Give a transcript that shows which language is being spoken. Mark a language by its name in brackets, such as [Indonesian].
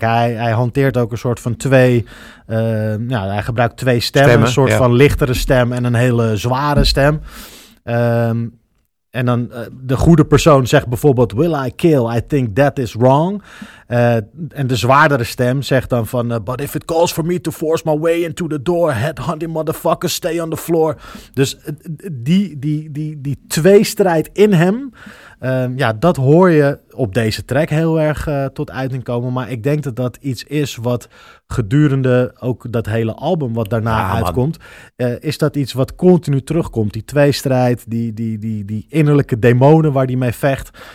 [Dutch] Hij hanteert ook een soort van twee... hij gebruikt twee stemmen. Een soort van lichtere stem en een hele zware stem. En dan de goede persoon zegt bijvoorbeeld... [English] Will I kill? I think that is wrong. [Dutch] En de zwaardere stem zegt dan van... [English] But if it calls for me to force my way into the door... Headhunting motherfuckers, stay on the floor. [Dutch] Dus die tweestrijd in hem... dat hoor je op deze track heel erg tot uiting komen. Maar ik denk dat dat iets is wat gedurende ook dat hele album wat daarna uitkomt. Is dat iets wat continu terugkomt. Die tweestrijd, die innerlijke demonen waar die mee vecht.